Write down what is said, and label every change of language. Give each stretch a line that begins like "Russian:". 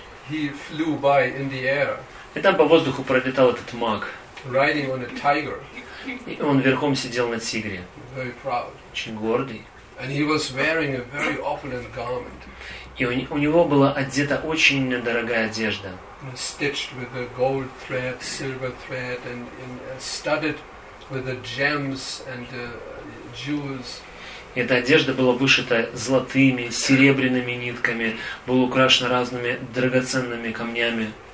Russian: И там по воздуху пролетал этот маг.
English: Riding on a tiger.
Russian: И он верхом сидел на тигре.
English: Very proud.
Russian: Очень гордый.
English: And he was wearing a very opulent garment.
Russian: И у него была одета очень дорогая одежда.
English: Stitched with a gold thread, silver thread, and studded with the gems and the jewels.
Russian: Эта одежда была вышита золотыми, серебряными нитками, была украшена разными драгоценными камнями.